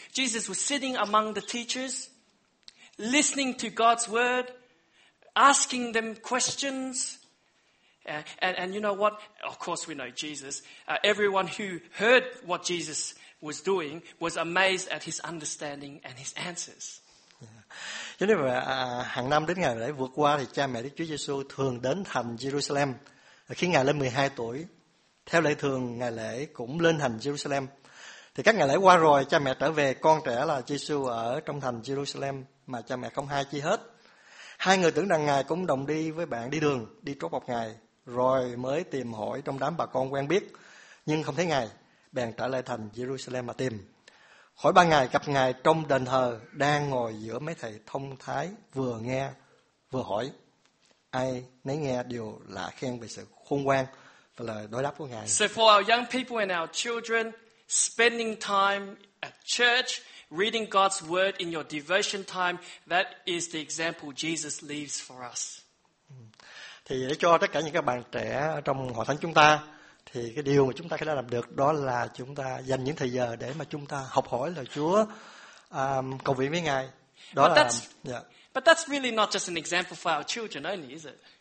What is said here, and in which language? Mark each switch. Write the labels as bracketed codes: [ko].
[en] Jesus was sitting among the teachers, listening to God's word, asking them questions. And you know what? Of course we know Jesus. Everyone who heard what Jesus was doing was amazed at his understanding and his answers. [vi] Cho nên là hàng năm đến ngày lễ vượt qua thì cha mẹ Đức Chúa Giêsu thường đến thành Jerusalem. Khi Ngài lên 12 tuổi, theo lễ thường ngày lễ cũng lên thành Jerusalem. Thì các ngày lễ qua rồi, cha mẹ trở về, con trẻ là Giêsu ở trong thành Jerusalem mà cha mẹ không hay chi hết. Hai người tưởng rằng Ngài cũng đồng đi với bạn đi đường, đi trốn một ngày. Rồi mới tìm hỏi trong đám bà con quen biết, nhưng không thấy Ngài, bèn trở lại thành Jerusalem mà tìm. Khỏi ba ngày gặp Ngài trong đền thờ, đang ngồi giữa mấy thầy thông thái, vừa nghe, vừa hỏi. Ai nấy nghe điều lạ khen về sự khôn ngoan và lời đối đáp của Ngài. [en] So for our young people and our children, spending time at church, reading God's word in your devotion time, that is the example Jesus leaves for us. [vi] Thì để cho tất cả những các bạn trẻ ở trong hội thánh chúng ta, thì cái điều mà chúng ta đã làm được đó là chúng ta dành những thời giờ để mà chúng ta học hỏi lời Chúa, cầu nguyện với Ngài. Đó [en] but [vi] là. [en] But that's really not just an example for our children only, is it?